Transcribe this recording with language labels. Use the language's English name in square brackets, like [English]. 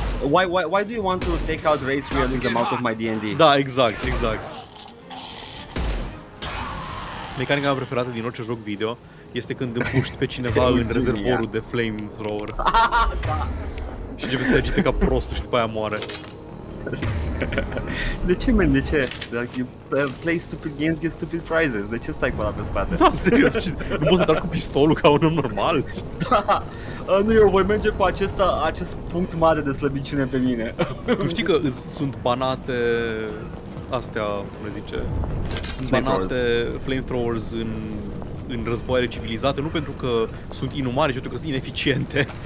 [English] Why do you want to take out race realism out of my D&D? [Romanian] Da, exact. Mecanica mea preferată din orice joc video este când împuști pe cineva în rezervorul de flamethrower. Da. Și începe să agite ca prostul și după aia moare. De ce, man? De ce? [English] Like, you play stupid games, get stupid prizes. [Romanian] De ce stai cu ăla pe spate? Da, serios? Nu poți să tragi cu pistolul ca un om normal? Da. Nu, eu voi merge cu acest punct mare de slăbiciune pe mine. Tu știi că sunt banate... Astea, cum le zice... Sunt banate flamethrowers în războaiele civilizate, nu pentru că sunt inumane, ci pentru că sunt ineficiente.